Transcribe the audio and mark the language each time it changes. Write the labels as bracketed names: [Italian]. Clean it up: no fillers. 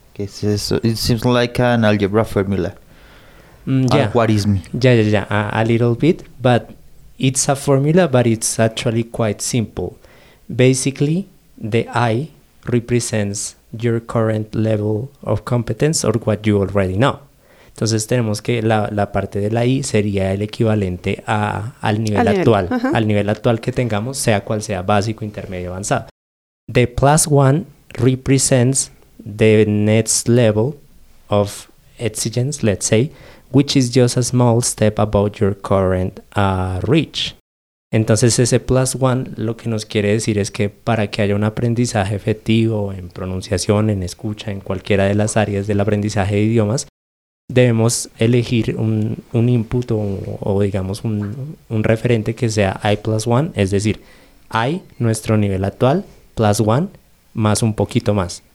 [Spanish] ¿Qué es eso? [English] It seems like an algebra formula. What is me? A little bit, but it's a formula, but it's actually quite simple. Basically, the I represents your current level of competence or what you already know. [Spanish] Entonces tenemos que la parte de la I sería el equivalente al nivel actual que tengamos, sea cual sea, básico, intermedio, avanzado. [English] The plus one represents the next level of exigence, let's say, which is just a small step above your current reach. [Spanish] Entonces ese plus one lo que nos quiere decir es que para que haya un aprendizaje efectivo en pronunciación, en escucha, en cualquiera de las áreas del aprendizaje de idiomas, debemos elegir un input o digamos un referente que sea I plus one, es decir, I, nuestro nivel actual, plus one, más un poquito más.